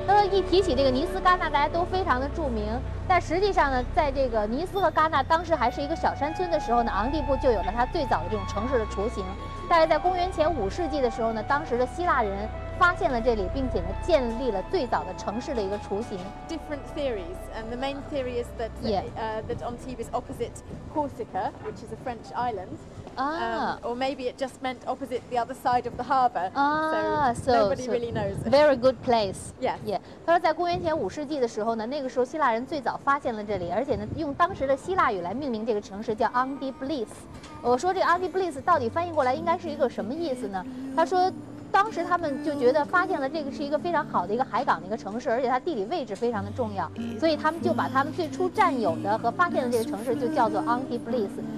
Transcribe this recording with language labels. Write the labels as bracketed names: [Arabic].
[Chinese] 一提起这个尼斯戛纳，大家都非常的著名，但实际上呢，在这个尼斯和戛纳当时还是一个小山村的时候呢，昂蒂布就有了它最早的这种城市的雏形。大概在公元前5世纪的时候呢，当时的希腊人发现了这里，并且呢建立了最早的城市的一个雏形。 [English] Different theories, and the main theory is that that Antibes is opposite Corsica, which is a French island. Or maybe it just meant opposite the other side of the harbor. So nobody really knows. Very good place. Yeah. Yeah. [Chinese] 他说在公元前5世纪的时候呢，那个时候希腊人最早发现了这里，而且呢用当时的希腊语来命名这个城市叫 Antibes。我说这个 Antibes 到底翻译过来应该是一个什么意思呢？他说，当时他们就觉得发现了这个是一个非常好的一个海港的一个城市，而且它地理位置非常的重要，所以他们就把他们最初占有的和发现的这个城市就叫做 Antibes。